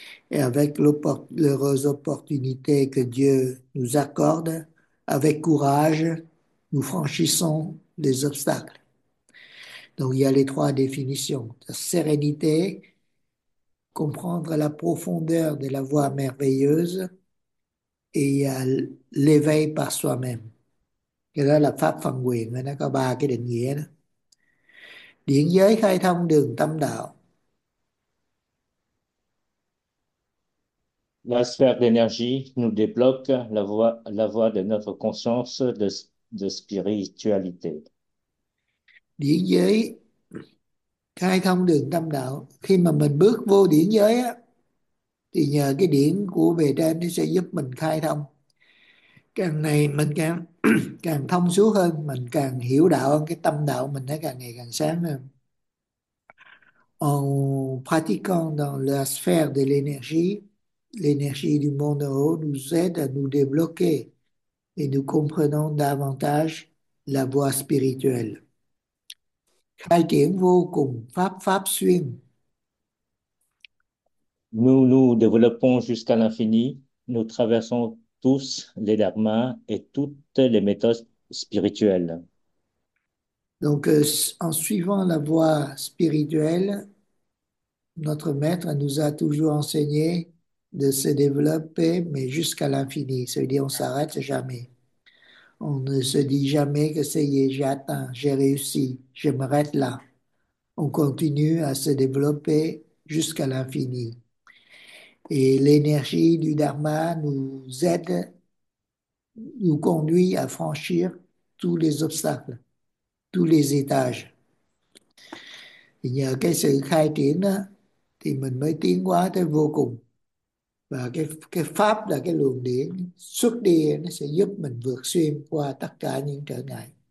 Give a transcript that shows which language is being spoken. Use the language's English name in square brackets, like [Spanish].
[French] Et avec l'heureuse opportunité que Dieu nous accorde, avec courage, nous franchissons les obstacles. Donc il y a les trois définitions. La sérénité, comprendre la profondeur de la voie merveilleuse et l'éveil par soi-même. [Vietnamese] Cái đó là pháp phân quyền, nó có ba cái định nghĩa đó. Điển giới khai thông đường tâm đạo. [French] La sphère d'énergie nous débloque la voie de notre conscience de spiritualité. [Vietnamese] Điển giới khai thông đường tâm đạo. Khi mà mình bước vô điển giới á, thì nhờ cái điển của bề trên nó sẽ giúp mình khai thông. Càng này mình càng càng thông suốt hơn, mình càng hiểu đạo hơn, cái tâm đạo mình nó càng ngày càng sáng hơn. [French] En pratiquant dans la sphère de l'énergie, l'énergie du monde haut nous aide à nous débloquer et nous comprenons davantage la voie spirituelle. [Vietnamese] Khai triển vô cùng, pháp pháp xuyên. [French] Nous développons jusqu'à l'infini, nous traversons tous les dharmas et toutes les méthodes spirituelles. Donc, en suivant la voie spirituelle, notre maître nous a toujours enseigné de se développer, mais jusqu'à l'infini. Ça veut dire qu'on ne s'arrête jamais. On ne se dit jamais que ça y est, j'ai atteint, j'ai réussi, je m'arrête là. On continue à se développer jusqu'à l'infini. Et l'énergie du Dharma nous aide, nous conduit à franchir tous les obstacles, tous les étages. Il y a [Vietnamese] cái sự khai triển đó, thì mình mới tiến hóa tới vô cùng. Và cái pháp là cái luồng điển xuất đi, nó sẽ giúp mình vượt xuyên qua tất cả những trở ngại.